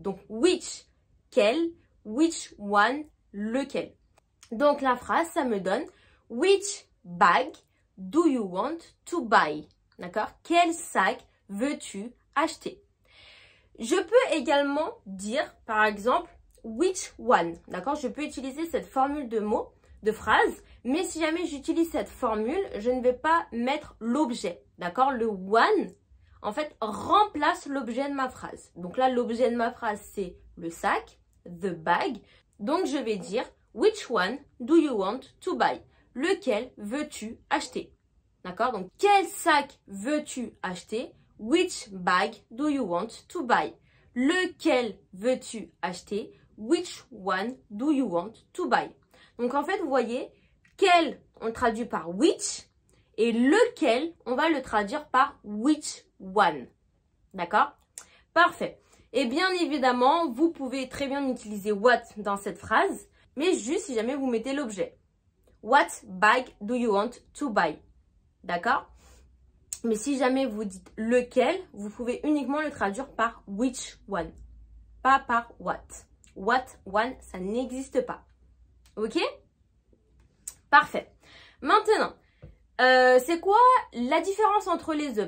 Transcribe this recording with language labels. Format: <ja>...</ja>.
<fr>Donc, which, quel, which one, lequel. Donc, la phrase, ça me donne</fr> <en>which bag do you want to buy?</en> <fr>D'accord? Quel sac veux-tu acheter? Je peux également dire, par exemple, which one. D'accord? Je peux utiliser cette formule de mot, de phrase. Mais si jamais j'utilise cette formule, je ne vais pas mettre l'objet. D'accord? Le one, en fait, remplace l'objet de ma phrase. Donc là, l'objet de ma phrase, c'est le sac, the bag. Donc, je vais dire,</fr> <en>which one do you want to buy?</en> <fr>Lequel veux-tu acheter? D'accord? Donc, quel sac veux-tu acheter?</fr> <en>Which bag do you want to buy?</en> <fr>Lequel veux-tu acheter?</fr> <en>Which one do you want to buy?</en> <fr>Donc en fait, vous voyez, quel on le traduit par which et lequel on va le traduire par which one. D'accord? Parfait. Et bien évidemment, vous pouvez très bien utiliser what dans cette phrase, mais juste si jamais vous mettez l'objet.</fr> <en>What bag do you want to buy?</en> <fr>D'accord? Mais si jamais vous dites lequel, vous pouvez uniquement le traduire par which one, pas par what. What one, ça n'existe pas. Ok? Parfait. Maintenant, c'est quoi la différence entre les deux?</fr>